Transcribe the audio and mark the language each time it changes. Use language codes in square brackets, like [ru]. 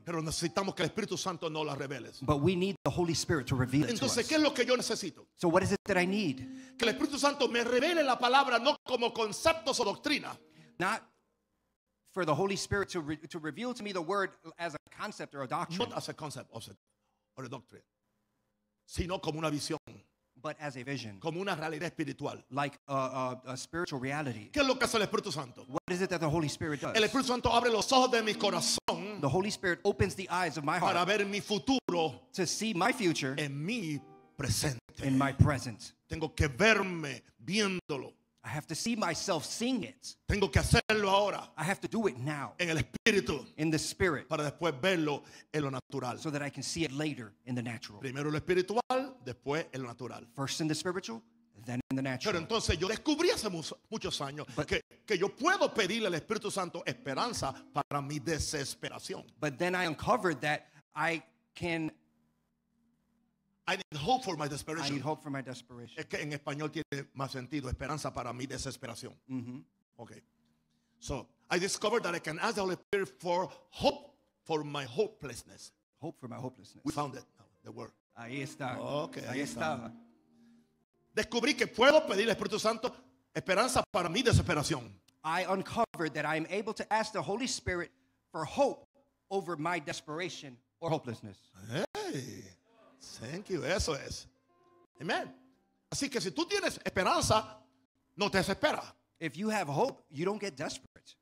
[es] Pero necesitamos que el Espíritu Santo no la revele. [en] But we need the Holy Spirit to reveal it to us. [es] Entonces, ¿qué es lo que yo necesito? [en] So what is it that I need? [es] Que el Espíritu Santo me revele la palabra, no como conceptos o doctrina. [en] Not for the Holy Spirit to reveal to me the word as a concept or a doctrine. Not as a concept or a doctrine. [es] Sino como una visión. [en] But as a vision. [es] Como una realidad espiritual. [en] Like a spiritual reality. [es] ¿Qué es lo que hace el Espíritu Santo? [en] What is it that the Holy Spirit does? [es] El Espíritu Santo abre los ojos de mi corazón. [en] The Holy Spirit opens the eyes of my heart. [es] Para ver mi futuro. [en] To see my future. [es] En mi presente. [en] In my present. [es] Tengo que verme viéndolo. [en] I have to see myself seeing it. [es] Tengo que hacerlo ahora. [en] I have to do it now. [es] En el espíritu. [en] In the spirit. [es] Para después verlo en lo natural. [en] So that I can see it later in the natural. [es] Primero lo espiritual, después en lo natural. [en] First in the spiritual, then in the natural. [es] Pero entonces yo descubrí hace muchos años que yo puedo pedirle al Espíritu Santo esperanza para mi desesperación. [en] But then I uncovered that I can. I need hope for my desperation. I need hope for my desperation. [es] Es que en español tiene más sentido. Esperanza para mi desesperación. Mm-hmm. Okay. [en] So I discovered that I can ask the Holy Spirit for hope for my hopelessness. Hope for my hopelessness. We found it. The word. [es] Ahí está. Okay. Ahí está. Descubrí que puedo pedir al Espíritu Santo esperanza para mi desesperación. [en] I uncovered that I am able to ask the Holy Spirit for hope over my desperation or hopelessness. Hey. Thank you. [es] Eso es. [en] Amen. [es] Así que si tú tienes esperanza, no te desesperas. [en] If you have hope, you don't get desperate.